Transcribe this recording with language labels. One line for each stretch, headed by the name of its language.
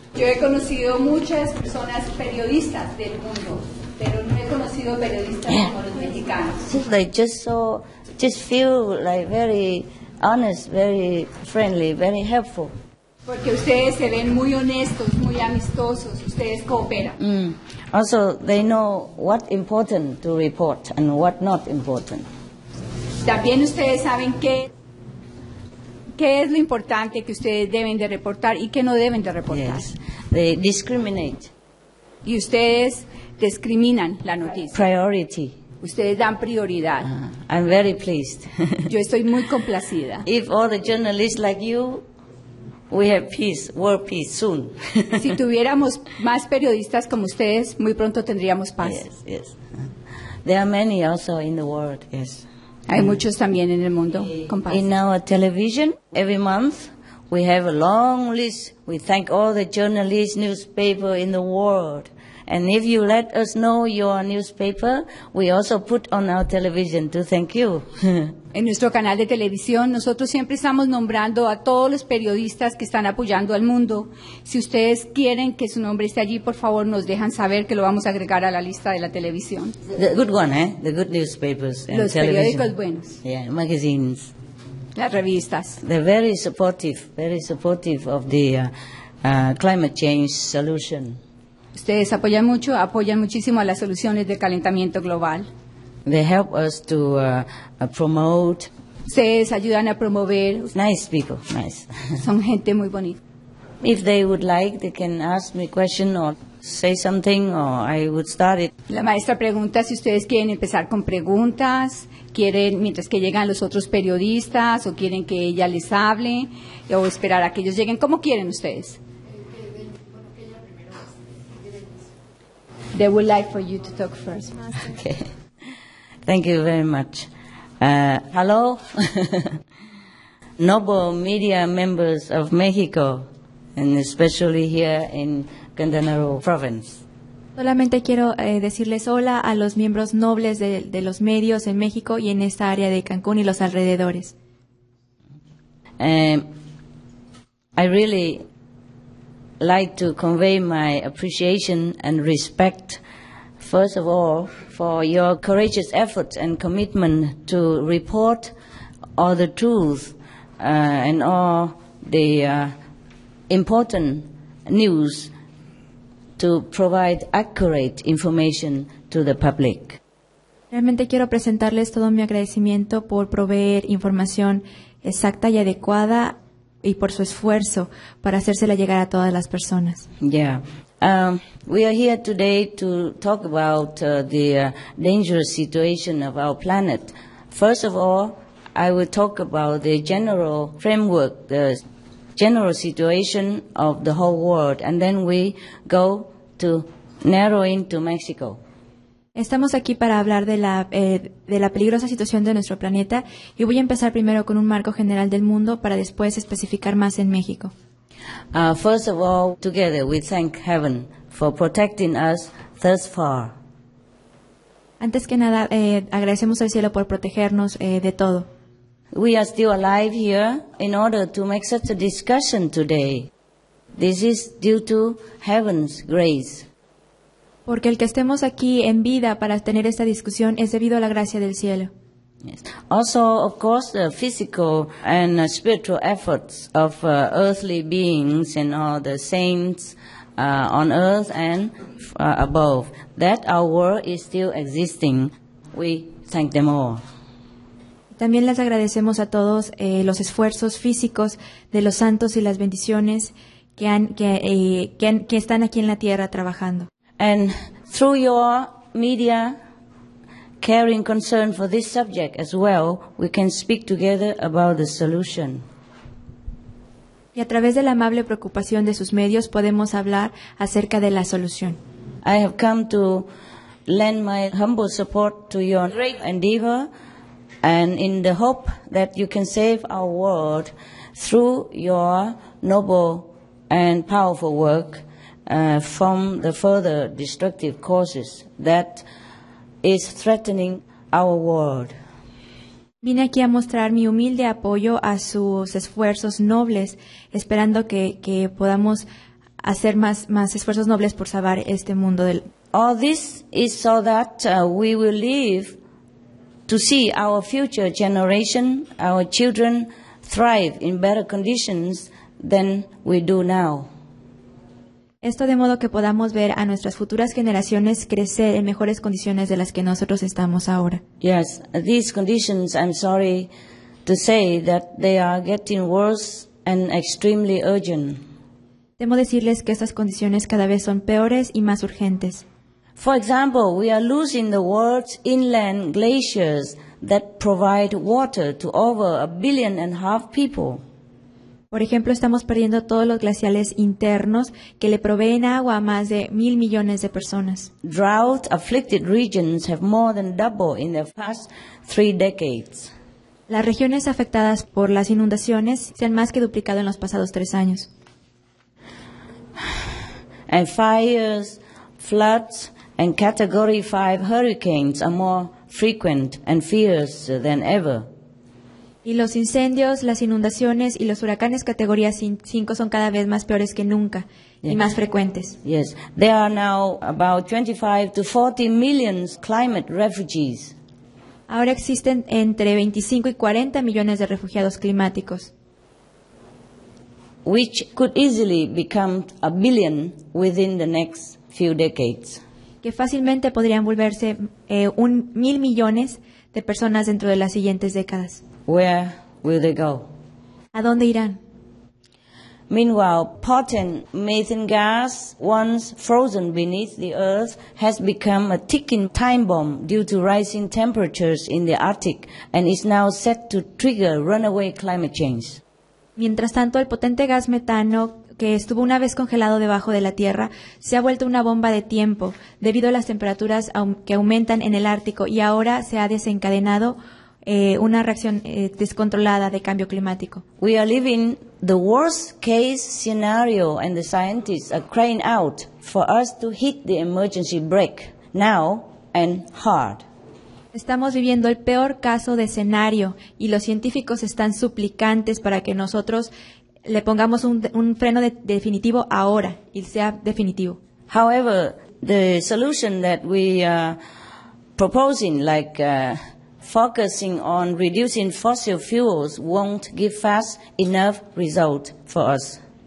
Spanish: Yo he conocido muchas personas periodistas del mundo, pero no he conocido periodistas como los mexicanos.
English: They just saw... Just feel like very honest, very friendly, very helpful.
Spanish: Porque ustedes se ven muy honestos, muy amistosos. Ustedes cooperan. Mm.
English: Also, they know what important to report and what not important.
Spanish: También ustedes saben qué es lo importante que ustedes deben de reportar y qué no deben de reportar.
English: Yes, they discriminate.
Spanish: Y ustedes discriminan la noticia.
English: Priority.
Spanish: Ustedes dan prioridad.
English: I'm very pleased.
Spanish: Yo estoy muy complacida.
English: If all the journalists like you, we have peace, world peace soon.
Spanish: Si tuviéramos más periodistas como ustedes, muy pronto tendríamos paz.
English: Yes, yes. There are many also in the world. Yes.
Spanish: Hay muchos también en el mundo con paz.
English: In our television, every month we have a long list. We thank all the journalists, newspaper in the world. And if you let us know your newspaper, we also put on our television to thank you.
Spanish: En nuestro canal de televisión, nosotros siempre estamos nombrando a todos los periodistas que están apoyando al mundo. Si ustedes quieren que su nombre esté allí, por favor, nos dejan saber que lo vamos a agregar a la lista de la televisión.
English: The good one, eh? The good newspapers and
Spanish: los
English: television.
Spanish: Los periódicos buenos.
English: Yeah, magazines.
Spanish: Las revistas.
English: They're very supportive of the climate change solution.
Spanish: Ustedes apoyan mucho, apoyan muchísimo a las soluciones del calentamiento global.
English: They help us to promote.
Spanish: Ustedes ayudan a promover.
English: Nice people, nice.
Spanish: Son gente muy bonita.
English: If they would like, they can ask me a question or say something or I would start it.
Spanish: La maestra pregunta si ustedes quieren empezar con preguntas, quieren mientras que llegan los otros periodistas o quieren que ella les hable o esperar a que ellos lleguen. ¿Cómo quieren ustedes?
English: They would like for you to talk first. Okay. Thank you very much. Hello, noble media members of Mexico, and especially here in Quintana Roo province.
Spanish: Solamente quiero decirles hola a los miembros nobles de los medios en México y en esta área de Cancún y los alrededores.
English: I really like to convey my appreciation and respect. First of all, for your courageous efforts and commitment to report all the truth and all the important news to provide accurate information to the public.
Spanish: Realmente quiero presentarles todo mi agradecimiento por proveer información exacta y adecuada y por su esfuerzo para hacérsela llegar a todas las personas.
English: Yeah. We are here today to talk about the dangerous situation of our planet. First of all, I will talk about the general framework, the general situation of the whole world, and then we go to narrow into Mexico.
Spanish: Estamos aquí para hablar de la peligrosa situación de nuestro planeta, y voy a empezar primero con un marco general del mundo para después especificar más en México.
English: First of all, together we thank heaven for protecting us thus far.
Spanish: Antes que nada, agradecemos al cielo por protegernos de todo.
English: We are still alive here in order to make such a discussion today. This is due to heaven's grace.
Spanish: Porque el que estemos aquí en vida para tener esta discusión es debido a la gracia del cielo.
English: Yes. Also, of course, the physical and spiritual efforts of earthly beings and all the saints on earth and above, that our world is still existing, we thank them all.
Spanish: También les agradecemos a todos los esfuerzos físicos de los santos y las bendiciones que están aquí en la tierra trabajando.
English: And through your media, caring concern for this subject as well, we can speak together about the solution.
Spanish: Y a través de la amable preocupación de sus medios podemos hablar acerca de la solución.
English: I have come to lend my humble support to your great endeavor and in the hope that you can save our world through your noble and powerful work from the further destructive causes that is threatening our world.
Spanish: Vine aquí a mostrar mi humilde apoyo a sus esfuerzos nobles, esperando que podamos hacer más esfuerzos nobles por salvar este mundo.
English: All this is so that we will live to see our future generation, our children, thrive in better conditions than we do now.
Spanish: Esto de modo que podamos ver a nuestras futuras generaciones crecer en mejores condiciones de las que nosotros estamos ahora.
English: Yes, these conditions, I'm sorry to say that they are getting worse and extremely urgent.
Spanish: Temo decirles que estas condiciones cada vez son peores y más urgentes.
English: For example, we are losing the world's inland glaciers that provide water to over 1.5 billion people.
Spanish: Por ejemplo, estamos perdiendo todos los glaciales internos que le proveen agua a más de 1,000,000,000 de personas.
English: Drought-afflicted regions have more than doubled in the past 3 decades.
Spanish: Las regiones afectadas por las inundaciones se han más que duplicado en los pasados 3 años.
English: And fires, floods, and Category 5 hurricanes are more frequent and fierce than ever.
Spanish: Y los incendios, las inundaciones y los huracanes categoría 5 son cada vez más peores que nunca y más frecuentes.
English: Yes, there are now about 25 to 40 million climate refugees.
Spanish: Ahora existen entre 25 y 40 millones de refugiados climáticos.
English: Which could easily become 1 billion within the next few decades.
Spanish: Que fácilmente podrían volverse 1,000,000,000 de personas dentro de las siguientes décadas.
English: Where will they go?
Spanish: ¿A dónde irán?
English: Meanwhile, potent methane gas, once frozen beneath the earth, has become a ticking time bomb due to rising temperatures in the Arctic and is now set to trigger runaway climate change.
Spanish: Mientras tanto, el potente gas metano que estuvo una vez congelado debajo de la tierra se ha vuelto una bomba de tiempo debido a las temperaturas que aumentan en el Ártico y ahora se ha desencadenado una reacción descontrolada de cambio climático.
English: We are living the worst case scenario and the scientists are crying out for us to hit the emergency brake now and hard.
Spanish: Estamos viviendo el peor caso de escenario y los científicos están suplicantes para que nosotros le pongamos un freno definitivo ahora y sea definitivo.
English: However, the solution that we are proposing, like focusing on reducing fossil fuels, won't give fast enough result for us.